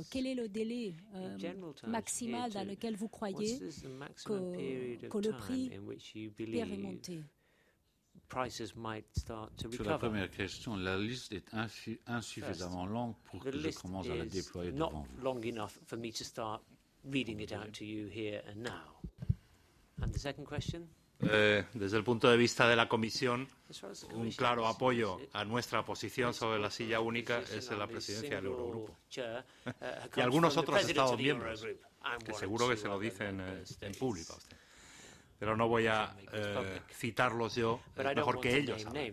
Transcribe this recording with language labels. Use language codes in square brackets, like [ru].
[fr] Quel est le délai maximal dans lequel vous croyez que le prix peut remonter? [en] Prices might start to recover. [fr] Sur la première question, la liste est insuffisamment longue pour que je commence à la déployer devant vous. [en] Not long enough for me to start reading it out to you here and now. And the second question? [es] Desde el punto de vista de la Comisión, un claro apoyo a nuestra posición sobre la silla única es la presidencia del Eurogrupo. Y algunos otros Estados miembros, que seguro que se lo dicen en público a usted. Pero no voy a citarlos yo, es mejor que ellos.